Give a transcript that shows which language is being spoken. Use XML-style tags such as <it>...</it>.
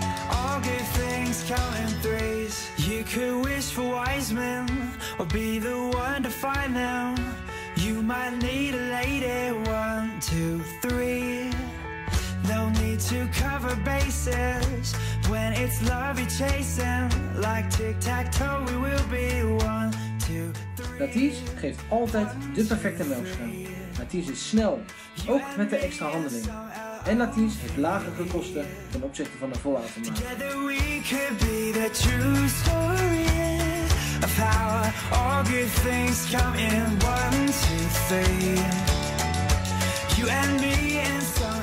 <en>All good things come in threes. You could wish for wise men or be the one to find them. You might need a lady, 1, 2, 3. No need to cover bases when it's love you're chasing. Like tic-tac-toe, we will be 1, 2, 3.</en> <nl>Mathies geeft altijd de perfecte melkschuim. Mathies is snel, ook met de extra handeling. En Mathies heeft lagere kosten ten opzichte van de volautomaat.</nl> <en>Together we could be the true story. Of how all good things come in 1, 2, 3. You and me and so-</en>